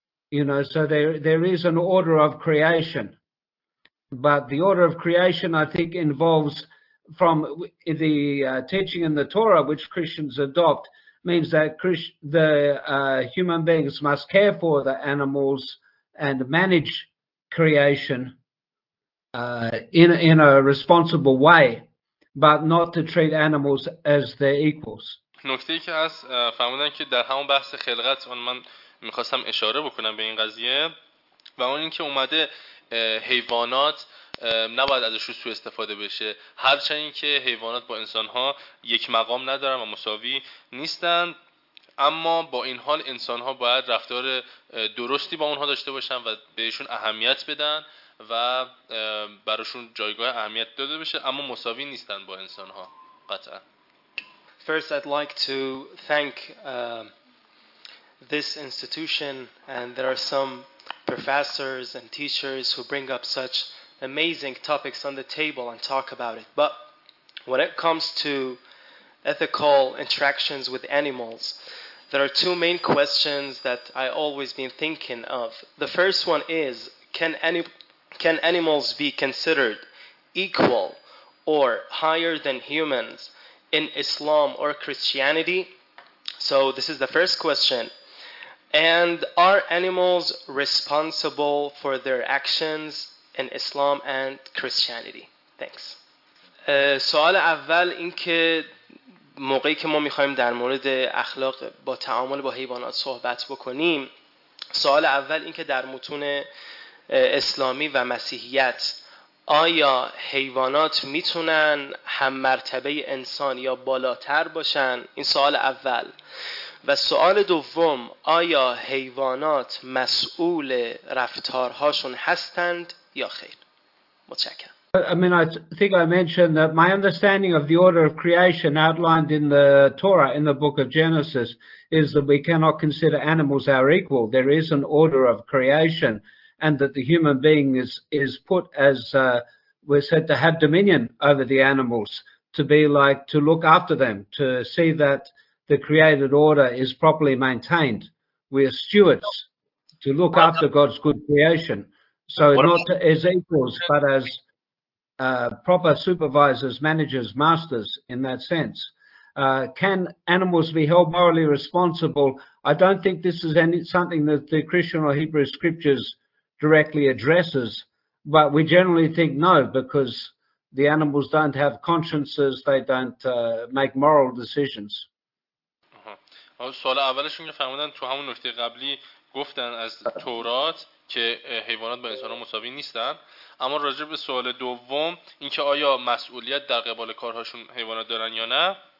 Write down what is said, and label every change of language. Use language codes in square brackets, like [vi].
[en] You know, so there is an order of creation. But the order of creation, I think, involves from the teaching in the Torah, which Christians adopt, means that human beings must care for the animals and manage creation in a responsible way, but not to treat animals as their equals. [fa] نکته‌ای که هست فهمیدن که در همون بحث خلقت اون من می‌خواستم اشاره بکنم به این قضیه و اون اینکه اومده حیوانات نباید ازش سوء استفاده بشه، هرچند که حیوانات با انسان‌ها یک مقام ندارن و مساوی نیستن، اما با این حال انسان‌ها باید رفتار درستی با اونها داشته باشن و بهشون اهمیت بدن و براشون جایگاه اهمیت داده بشه، اما مساوی نیستن با انسان‌ها قطعا. [en] First, I'd like to thank this institution, and there are some professors and teachers who bring up such amazing topics on the table and talk about it. But when it comes to ethical interactions with animals, there are two main questions that I always been thinking of. The first one is, can animals be considered equal or higher than humans in Islam or Christianity? So this is the first question. And are animals responsible for their actions in Islam and Christianity? Thanks. [fa] سوال اول این که موقعی که ما میخوایم در مورد اخلاق با تعامل با حیوانات صحبت بکنیم، سوال اول این که در متون اسلامی و مسیحیت آیا حیوانات میتونن هم مرتبه انسان یا بالاتر باشن؟ این سوال اول. و سوال دوم آیا حیوانات مسئول رفتارهاشون هستند یا خیر؟ متشکرم. [en] I mean, I think I mentioned that my understanding of the order of creation outlined in the Torah, in the book of Genesis, is that we cannot consider animals our equal. There is an order of creation, and that the human being is put as we're said to have dominion over the animals, to be like, to look after them, to see that the created order is properly maintained. We are stewards to look after God's good creation. So not as equals, but as proper supervisors, managers, masters in that sense. Can animals be held morally responsible? I don't think this is something that the Christian or Hebrew scriptures directly addresses, but we generally think no, because the animals don't have consciences, they don't make moral decisions. [fa] سوال اولشون که فرمودن تو همون نکته قبلی گفتن از تورات که حیوانات با انسان ها مساوی نیستن، اما راجع به سوال دوم اینکه آیا مسئولیت در قبال کارهاشون حیوانات دارن یا نه،